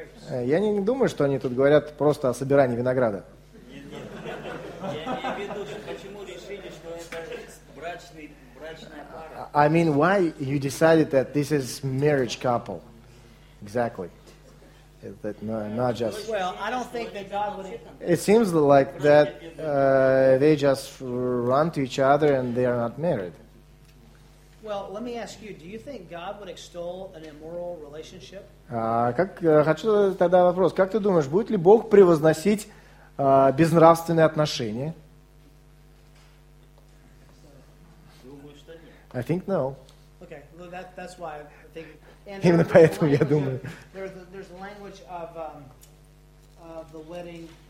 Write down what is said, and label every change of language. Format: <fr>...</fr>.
<ru>Я не думаю, что они тут говорят просто о собирании винограда. Нет, я имею в виду, почему решили, что это брачная</ru> <en>пара. I mean, why you decided that this is marriage couple? Exactly. That not just... Well, I don't think that God would... It seems like that they just run to each other and they are not married. Well, let me ask you, do you think God would extol an immoral relationship?</en> <ru>Хочу тогда вопрос. Как ты думаешь, будет ли Бог превозносить безнравственные отношения? Думаю, что нет.</ru> <en>I think no. Okay, well, that's why I think...</en> <ru>And именно поэтому я думаю.</ru> <en>There's the language of the wedding...</en>